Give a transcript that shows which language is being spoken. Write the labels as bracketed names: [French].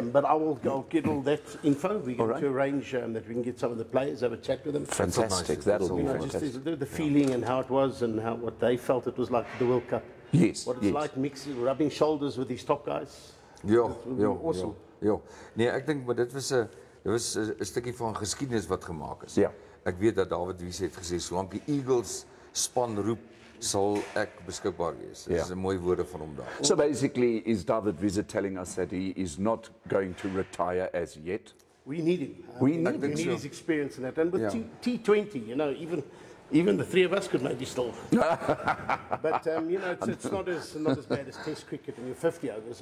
[English] but I'll get all that info. We get to arrange that we can get some of the players have a chat with them. Fantastic! That'll be fantastic. Just the feeling and how it was and what they felt it was like the World Cup. Yes, like mixing, rubbing shoulders with these top guys. Yeah, awesome. Yeah, I think, but it was a. [Afrikaans] Dit was 'n stukkie van geskiedenis wat gemaak is. Ja. Ek weet dat David Wiese het gesê, solank die Eagles span roep, sal ek beskikbaar wees. Ja. Dit is 'n mooi woorde van hom daar. [English] So basically, is David Wiese telling us that he is not going to retire as yet? We need him. We need his experience in that. And with T20, you know, even the three of us could maybe still. But, you know, it's not as bad as test cricket in your 50 overs.